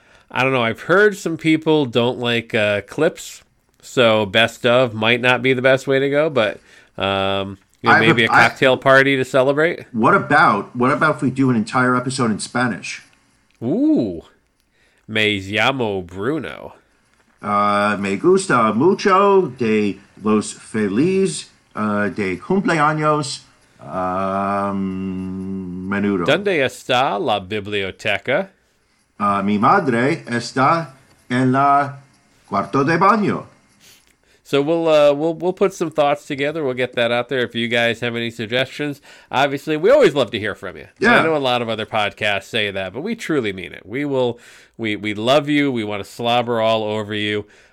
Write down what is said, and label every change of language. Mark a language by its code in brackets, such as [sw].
[en] I don't know. I've heard some people don't like clips, so best of might not be the best way to go, but maybe a cocktail party to celebrate. What about if we do an entire episode in Spanish? [es] Ooh. Me llamo Bruno. Me gusta mucho de los feliz de cumpleaños. Menudo. ¿Dónde está la biblioteca? Mi madre está en la cuarto de baño. [en] So we'll put some thoughts together. We'll get that out there. If you guys have any suggestions, obviously we always love to hear from you. Yeah. I know a lot of other podcasts say that, but we truly mean it. We love you. We want to slobber all over you.